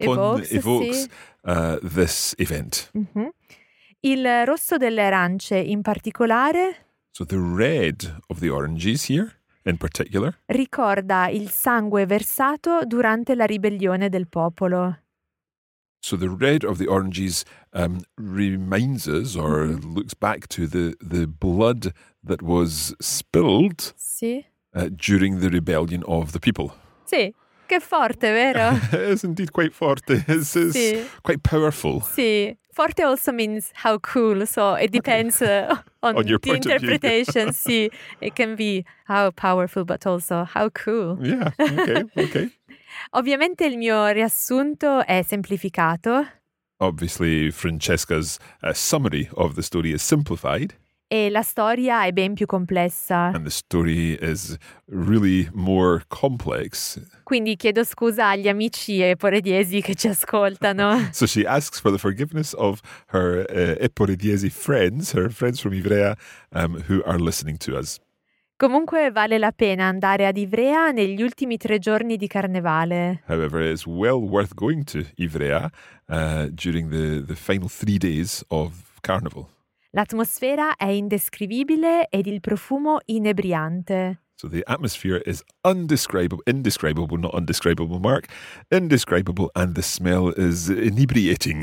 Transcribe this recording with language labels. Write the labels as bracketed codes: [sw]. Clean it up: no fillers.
[en] evokes this event. [it] Mm-hmm. Il rosso delle arance in particolare. [en] So, the red of the oranges here. In particular, [it] ricorda il sangue versato durante la ribellione del popolo. [en] So the red of the oranges reminds us or looks back to the blood that was spilled [it] sì. [en] During the rebellion of the people. [it] Sì, che forte, vero? [en] It's indeed quite forte. It's sì. Quite powerful. Sì, forte also means how cool, so it depends... On your the interpretation, see, it can be how powerful, but also how cool. Yeah, okay. [it] Ovviamente il mio riassunto è semplificato. [en] Obviously, Francesca's summary of the story is simplified. [it] E la storia è ben più complessa. [en] And the story is really more complex. [it] Quindi chiedo scusa agli amici eporediesi che ci ascoltano. [en] So she asks for the forgiveness of her eporediesi friends, her friends from Ivrea, who are listening to us. [it] Comunque vale la pena andare ad Ivrea negli ultimi tre giorni di Carnevale. [en] However, it's well worth going to Ivrea during the final three days of Carnival. [it] L'atmosfera è indescrivibile ed il profumo inebriante. [en] So the atmosphere is indescribable, and the smell is inebriating.